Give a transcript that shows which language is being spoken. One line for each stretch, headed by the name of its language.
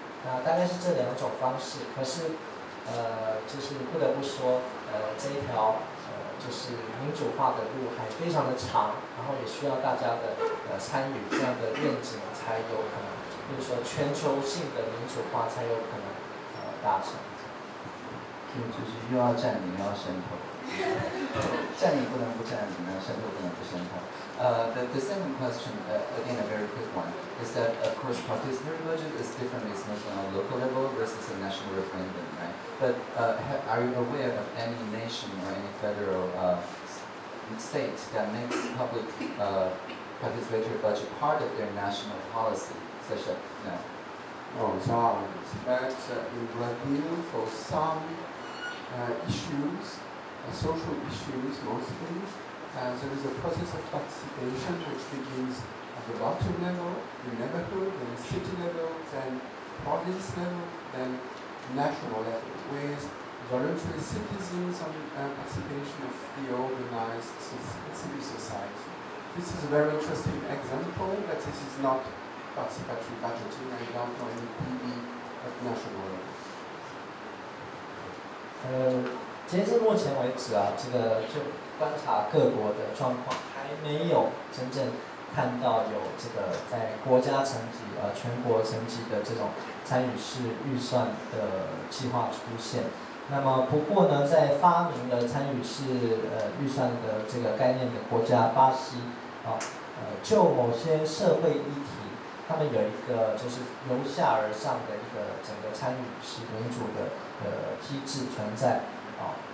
Chinese: 那大概是这两种方式，可是就是不得不说这一条就是民主化的路还非常的长，然后也需要大家的参与，这样的愿景才有可能，就是说全球性的民主化才有可能达成。就是又要占领又要渗透，占领不能不占领，渗透不能不渗透。
English: The second question, again a very quick one, is that of course participatory budget is different, it's not on a local level versus a national referendum, right? But are you aware of any nation or any federal state that makes public participatory budget part of their national policy, such as, no? Oh, sorry. But in Brazil, for some issues, social issues mostly,there is a process of participation which begins at the bottom level, the neighborhood, then city level, then province level, then national level, with voluntary citizens and participation of the organized civil society. This is a very interesting example, but this is not participatory budgeting. I don't know any PB at national level.
Chinese: 观察各国的状况，还没有真正看到有这个在国家层级、全国层级的这种参与式预算的计划出现。那么不过呢，在发明了参与式预算的这个概念的国家巴西啊，就某些社会议题，他们有一个就是由下而上的一个整个参与式民主的机制存在啊。